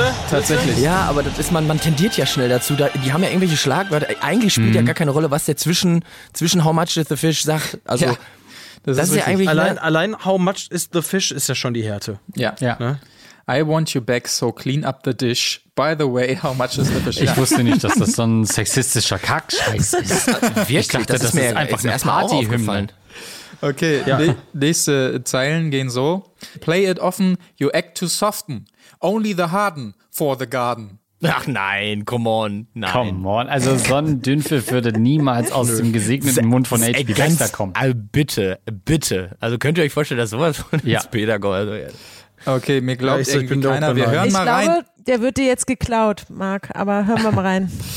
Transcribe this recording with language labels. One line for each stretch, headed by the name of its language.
German: Tatsächlich. Ja, aber das ist man tendiert ja schnell dazu. Die haben ja irgendwelche Schlagwörter. Eigentlich spielt ja gar keine Rolle, was der zwischen
English: How much is the fish
German: sagt. Also ja. Das ist ja eigentlich allein
English: how much is the fish
German: ist ja schon die Härte. Ja. Ja.
English: Ne? I want you back, so clean up the dish. By the way, how much is the fish?
German: Ich wusste nicht, dass das so ein sexistischer Kackscheiß ist. Wirklich, ich dachte, das ist mir einfach eine Party-Hymne. Okay, ja. Nächste Zeilen gehen so.
English: Play it often, you act too soften. Only the harden for the garden.
German: Ach nein,
English: come on,
German: nein.
English: Come on,
German: also so ein Dünnpfiff würde niemals aus dem gesegneten Mund von H.P. Baxter kommen. Bitte. Also könnt ihr euch vorstellen, dass sowas von Peter Gold. Okay, mir glaubt ja, irgendwie keiner. Wir hören mal rein. Ich glaube, der wird dir jetzt geklaut, Marc, aber hören wir mal rein.